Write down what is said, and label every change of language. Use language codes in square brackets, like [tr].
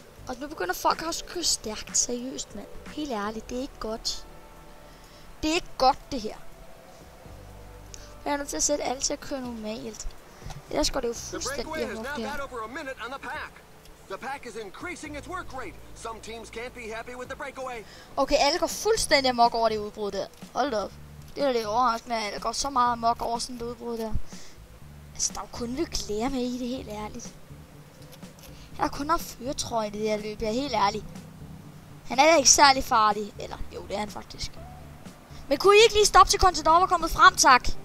[da] Og nu begynder folk også at køre stærkt, seriøst mand. Helt ærligt, det er ikke godt. Det er ikke godt, det her. Jeg er nødt til at sætte alt til at køre normalt. Ellers går det jo fuldstændig amok her. [en] The pack is increasing its work rate. Some teams can't be happy with the breakaway. [da] Okay, alle går fuldstændig amok over det udbrud der. Hold op. Det er da lidt overraskende, at alle går så meget amok over sådan et udbrud der. Altså, der er jo kun lidt glæde med i det, helt ærligt. Han har kun haft fyrtrøje i det her løb, jeg er helt ærlig. Han er da ikke særlig farlig. Eller, jo, det er han faktisk. Men kunne I ikke lige stoppe til Contador var kommet frem, tak?